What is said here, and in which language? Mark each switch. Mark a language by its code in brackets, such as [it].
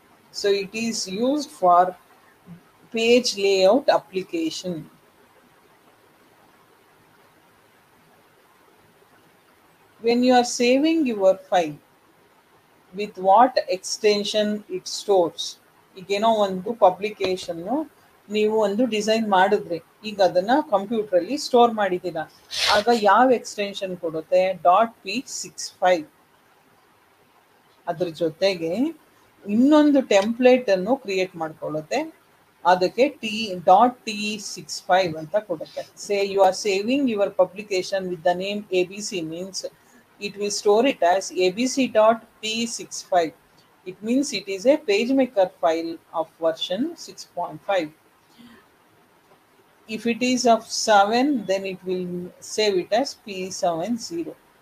[en] So it is used for page layout application. When you are saving your file, with what extension it stores? [kn] ಈಗೇನೋ ಒಂದು publication ನೀವು ಒಂದು design ಮಾಡಿದ್ರೆ ಈಗ ಅದನ್ನ ಕಂಪ್ಯೂಟರಲ್ಲಿ ಸ್ಟೋರ್ ಮಾಡಿದ್ದೀರ, ಆಗ ಯಾವ ಎಕ್ಸ್ಟೆನ್ಷನ್ ಕೊಡುತ್ತೆ? .p65. ಅದ್ರ ಜೊತೆಗೆ ಇನ್ನೊಂದು ಟೆಂಪ್ಲೇಟ್ ಅನ್ನು ಕ್ರಿಯೇಟ್ ಮಾಡ್ಕೊಳ್ಳುತ್ತೆ, ಅದಕ್ಕೆ .t65 ಅಂತ ಕೊಡುತ್ತೆ. [en] Say you are saving your publication with the name ABC, means it will store it as abc.p65. It means it is a PageMaker file of version 6.5. If it is of 7, then it will save it as P70.